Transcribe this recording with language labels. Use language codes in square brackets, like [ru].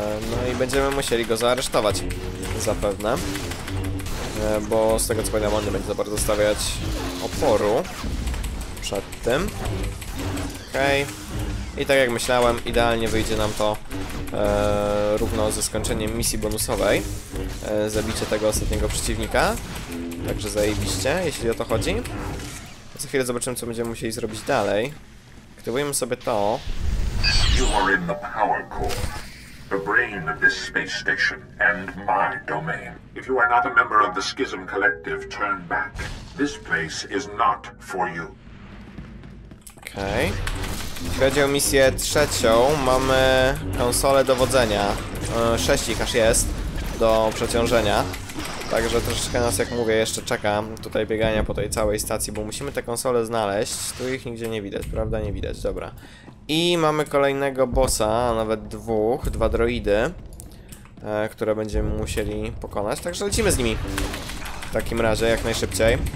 [pl] No i będziemy musieli go zaaresztować zapewne, bo z tego co pamiętam, on nie będzie za bardzo stawiać oporu przed tym. Okej. I tak jak myślałem, idealnie wyjdzie nam to równo ze skończeniem misji bonusowej. Zabicie tego ostatniego przeciwnika. Także zajebiście, jeśli o to chodzi. Za chwilę zobaczymy, co będziemy musieli zrobić dalej. Aktywujemy sobie to. [en] You are in the power core. The brain of this space station and my domain. If you are not a member of the Schism Collective, turn back. This place is not for you. [pl] Okej. Okay. Jeśli chodzi o misję trzecią, mamy konsolę dowodzenia. 6 ich aż jest do przeciążenia. Także troszeczkę nas, jak mówię, jeszcze czeka tutaj biegania po tej całej stacji, bo musimy te konsole znaleźć. Tu ich nigdzie nie widać, prawda? Nie widać, dobra. I mamy kolejnego bossa, a nawet dwóch, dwa droidy, które będziemy musieli pokonać, także lecimy z nimi w takim razie, jak najszybciej.